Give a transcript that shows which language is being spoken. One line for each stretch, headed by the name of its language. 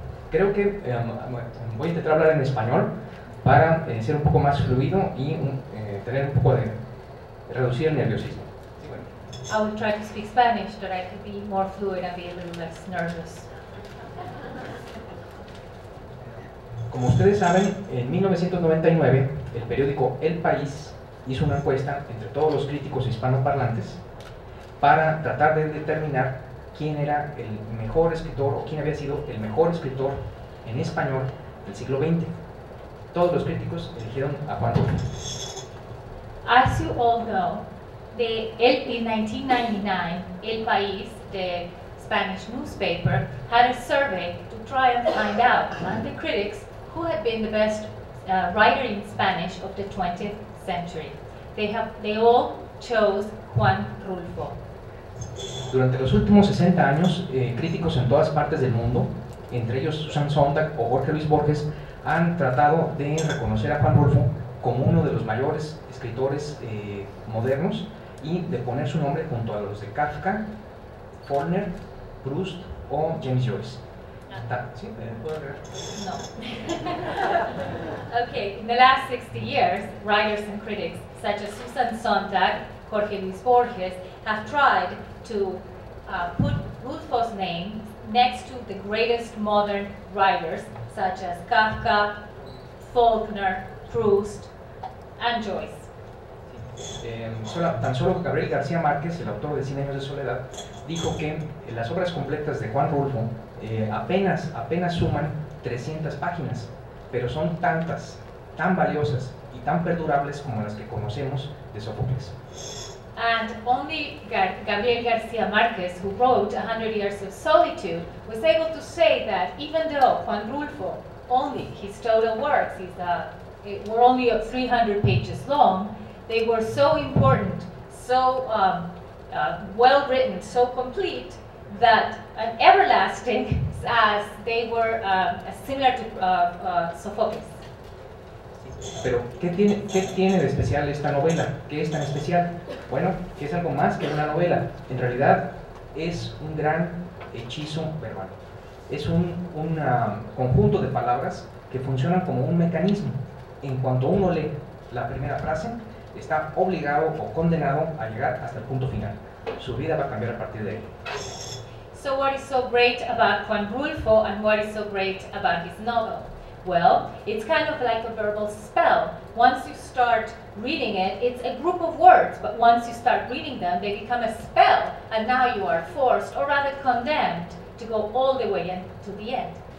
Spanish: Creo que voy a intentar hablar en español para ser un poco más fluido y tener un poco de reducir el nerviosismo.
English: I will try to speak Spanish, but I could be more fluid and be a little less nervous.
Spanish: Como ustedes saben, en 1999, el periódico El País hizo una encuesta entre todos los críticos hispanoparlantes para tratar de determinar quién era el mejor escritor o quién había sido el mejor escritor en español del siglo XX. Todos los críticos eligieron a Juan Rulfo.
English: As you all know, in 1999, El País, the Spanish newspaper, had a survey to try and find out among the critics who had been the best writer in Spanish of the 20th century. They all chose Juan Rulfo.
Spanish: Durante los últimos 60 años, críticos en todas partes del mundo, entre ellos Susan Sontag o Jorge Luis Borges, han tratado de reconocer a Juan Rulfo como uno de los mayores escritores modernos y de poner su nombre junto a los de Kafka, Faulkner, Proust o James Joyce. No. ¿Sí? No.
English: Okay, in the last 60 years, writers and critics such as Susan Sontag, Jorge Luis Borges, have tried to put Rulfo's name next to the greatest modern writers such as Kafka, Faulkner, Proust, and Joyce.
Spanish: Tan solo Gabriel García Márquez, el autor de Cien Años de Soledad, dijo que las obras completas de Juan Rulfo apenas suman 300 páginas, pero son tantas, tan valiosas y tan perdurables como las que conocemos de Sófocles.
English: And only Gabriel García Márquez, who wrote 100 Years of Solitude, was able to say that even though Juan Rulfo, only his total works, were only 300 pages long, they were so important, so well written, so complete, that an everlasting, as they were similar to Sophocles.
Spanish: Pero, ¿qué tiene de especial esta novela? ¿Qué es tan especial? Bueno, que es algo más que una novela. En realidad, es un gran hechizo verbal. Es un conjunto de palabras que funcionan como un mecanismo. En cuanto uno lee la primera frase, está obligado o condenado a llegar hasta el punto final. Su vida va a cambiar a partir de ahí.
English: So what is so great about Juan Rulfo and what is so great about his novel? Well, it's kind of like a verbal spell. Once you start reading it, it's a group of words, but once you start reading them, they become a spell, and now you are forced, or rather condemned, to go all the way in to the end.